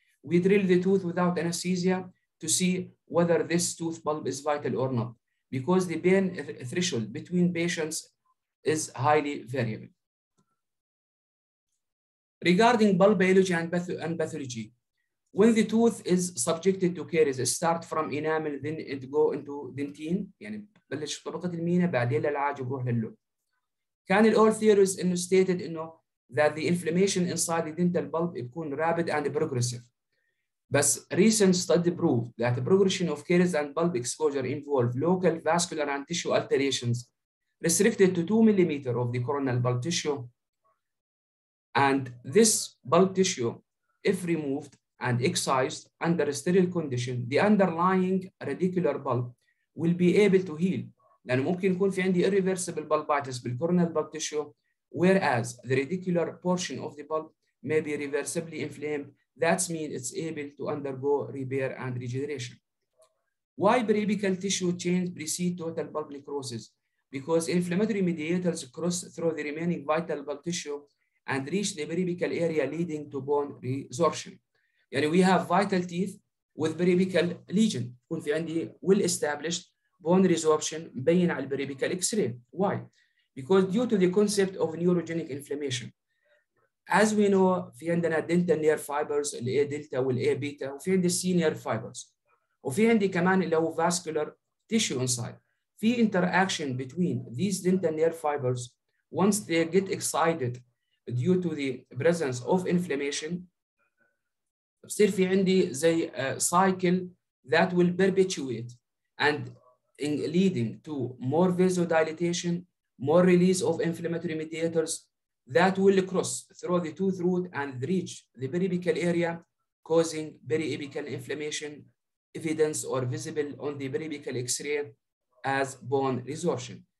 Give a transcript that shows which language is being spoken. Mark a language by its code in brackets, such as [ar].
[en] We drill the tooth without anesthesia to see whether this tooth bulb is vital or not because the pain threshold between patients is highly variable. Regarding bulb biology and pathology, when the tooth is subjected to caries, it starts from enamel, then it go into dentine. [ar] يعني بلش طبقة المينا بعدين للعاج وبروح للون. كان الأول [en] theories إنه stated إنه that the inflammation inside the dental bulb [ar] يكون [en] rapid and progressive. بس recent study proved that progression of caries and bulb exposure involve local vascular and tissue alterations restricted to 2 millimeter of the coronal bulb tissue. And this bulb tissue, if removed and excised under a sterile condition, the underlying radicular bulb will be able to heal. [ar] لأن ممكن يكون في عندي [en] irreversible bulbitis بالcoronal bulb tissue, whereas the radicular portion of the bulb may be reversibly inflamed. That means it's able to undergo repair and regeneration. Why periapical tissue change precede total bulb necrosis? Because inflammatory mediators cross through the remaining vital bulb tissue and reach the periapical area leading to bone resorption. يعني we have vital teeth with periapical lesion. [ar] يكون في عندي [en] well established bone resorption [ar] مبين على البريبيكال X-ray. [en] Why? Because due to the concept of neurogenic inflammation. As we know, [ar] في عندنا [en] dental nerve fibers, A delta والA beta, [ar] وفي عندي [en] C nerve fibers. [ar] وفي عندي كمان اللي هو [en] vascular tissue inside. في interaction between these dental nerve fibers once they get excited due to the presence of inflammation, [ar] بصير في عندي زي [en] cycle that will perpetuate and leading to more vasodilatation, more release of inflammatory mediators that will cross through the tooth root and reach the periapical area, causing periapical inflammation evidence or visible on the periapical X-ray as bone resorption.